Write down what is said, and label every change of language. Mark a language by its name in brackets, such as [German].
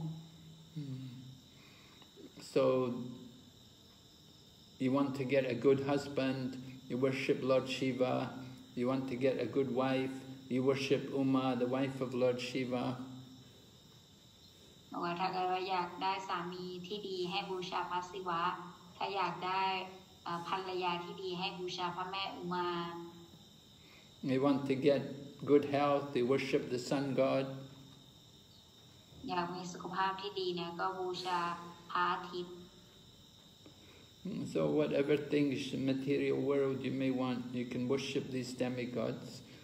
[English] So you want to get a good husband, you worship Lord Shiva. You want to get a good wife, you worship Uma, the wife of Lord Shiva. [Thai] บอกว่าถ้าเกิดว่าอยากได้สามีที่ดีให้บูชาพระศิวะถ้าอยากได้ภรรยาที่ดีให้บูชาพระแม่อุมา [English] They want to get good health, they worship the sun god [Thai] อยากมีสุขภาพที่ดีเนี่ยก็บูชาพระอาทิตย์ [English] So whatever things in the material world you may want, you can worship these demigods.